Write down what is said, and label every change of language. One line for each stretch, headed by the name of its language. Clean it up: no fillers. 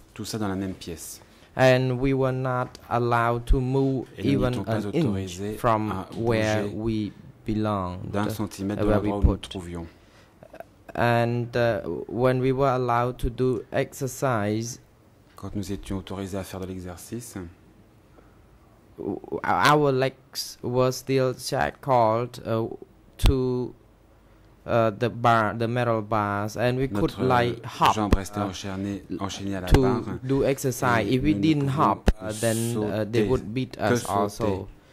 French: Tout ça dans la même pièce.
English: And we were not allowed to move even an inch from where we belonged, where we put. And when we were allowed to do exercise,
French: quand nous étions autorisés à faire de l'exercice,
English: our legs were still shackled to the bar, the metal bars, and we could like hop.
French: Jambes restaient enchaînées à la
English: to
French: barre.
English: Do exercise. If we didn't hop, then they would beat us also.